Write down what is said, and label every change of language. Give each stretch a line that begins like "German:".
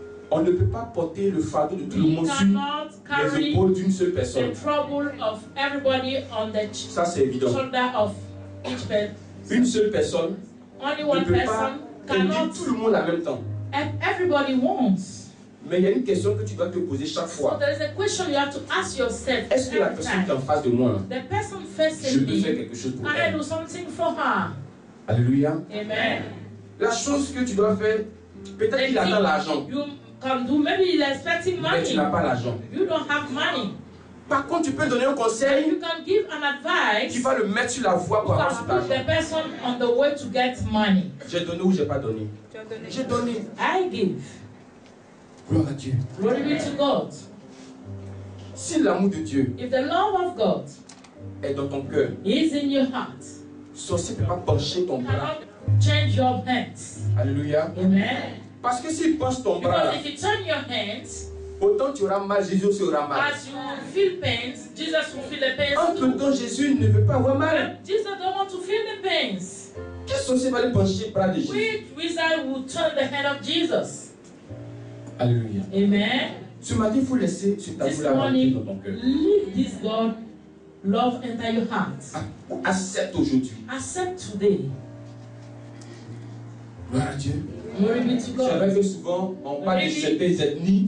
French: On ne peut pas porter le fardeau de tout le monde sur les épaules d'une seule personne.
English: The trouble of everybody on the
French: ça, c'est évident.
English: Shoulder of each person.
French: Une seule personne.
English: Only one person.
French: Cannot tout le monde en même temps.
English: Everybody wants.
French: Mais il y a une question que tu dois te poser chaque fois.
English: So there is a question you have to ask yourself.
French: Est-ce que la personne qui est en face de moi,
English: the person facing
French: je peux faire quelque chose pour elle?
English: I do something for her.
French: Alléluia.
English: Amen.
French: La chose que tu dois faire, peut-être qu'il attend l'argent.
English: You can do maybe he's expecting money.
French: Mais tu n'as pas l'argent.
English: You don't have money.
French: Par contre, tu peux donner un conseil
English: you can give an advice,
French: qui va le mettre sur la voie pour avoir cet argent.
English: The person on the way to get money.
French: J'ai donné ou j'ai pas donné. J'ai donné.
English: I give.
French: Gloire à Dieu.
English: Glory be to God.
French: Si l'amour de Dieu
English: if the love of God
French: est dans ton cœur,
English: is in your heart,
French: sorcier ne peut pas pencher ton bras.
English: Change your hands.
French: Alléluia.
English: Amen.
French: Parce que s'il penche ton
English: because
French: bras,
English: if you turn your hands,
French: autant tu auras mal, Jésus aussi aura mal.
English: As you feel pain, Jesus will feel the pain.
French: Entre temps, Jésus ne veut pas avoir mal.
English: Jesus don't want to feel the pains.
French: Qu'est-ce que c'est va le pencher le bras de Jésus?
English: Which wizard will turn the head of Jesus?
French: Alléluia.
English: Amen.
French: Ce matin, il faut laisser cet amour-là rentrer dans ton cœur.
English: Leave this God love enter your heart.
French: Accepte aujourd'hui.
English: Accept today.
French: Gloire à Dieu.
English: Glory be to God.
French: C'est vrai que souvent, on parle de certaines ethnies.